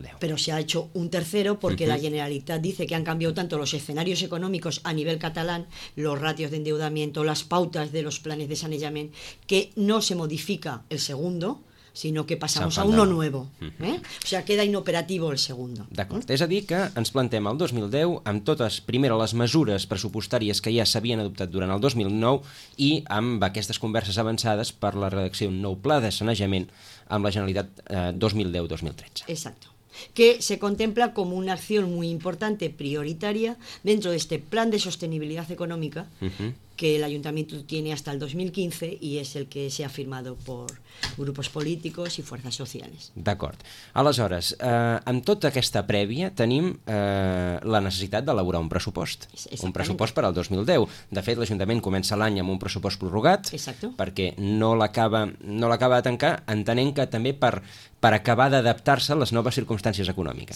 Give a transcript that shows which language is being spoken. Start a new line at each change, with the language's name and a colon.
Spanish: Claro, pero se ha hecho un tercero porque uh-huh. la Generalitat dice que han cambiado tanto los escenarios económicos a nivel catalán, los ratios de endeudamiento, las pautas de los planes de sanejament, que no se modifica el segundo, sinó que passamos a uno nuevo. O sea, queda inoperativo el segundo.
Catalan: D'acord. És a dir que ens plantem el 2010 amb totes, primera, les mesures pressupostàries que ja s'havien adoptat durant el 2009 i amb aquestes converses avançades per la redacció d'un nou pla de sanejament amb la Generalitat 2010-2013.
Spanish: Exacto. Que se contempla como una acción muy importante, prioritaria, dentro de este plan de sostenibilidad económica uh-huh. que el ayuntamiento tiene hasta el 2015 y es el que se ha firmado por grupos políticos y fuerzas sociales.
Catalan: D'acord. Aleshores, amb tota aquesta prèvia tenim la necessitat d'elaborar un pressupost. Exactament. Un pressupost per al 2010. De fet, l'Ajuntament comença l'any amb un pressupost prorrogat.
Spanish: Exacto.
Catalan: Perquè no l'acaba de tancar, entenent que també per acabar d'adaptar-se a les noves circumstàncies econòmiques.